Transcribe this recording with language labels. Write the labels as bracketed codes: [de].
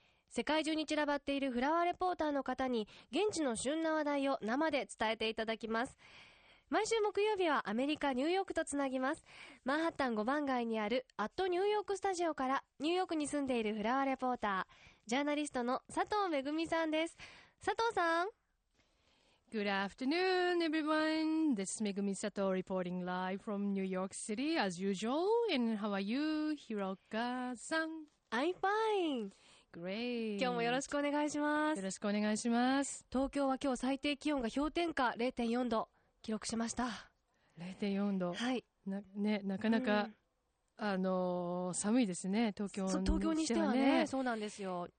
[ja] 世界中に散らばっているフラワーレポーターの方に現地の旬な話題を生で伝えていただきます。毎週木曜日はアメリカ・ニューヨークとつなぎます。マンハッタン5番街にあるアットニューヨークスタジオから、ニューヨークに住んでいるフラワーレポーター、ジャーナリストの佐藤めぐみさんです。佐藤さん、 [en] Good afternoon everyone. This is Megumi Sato reporting live from New York City as usual. And how are you, Hiroka さん？ I'm fine. Great. [ja] 今日もよろしくお願いします。よろしくお願いします。東京は今日最低気温が氷点下 0.4 度記録しました。 0.4 度、はい、なかなか、うん、寒いですね、東京にしてはね。東京にしてはね。そうなんですよ、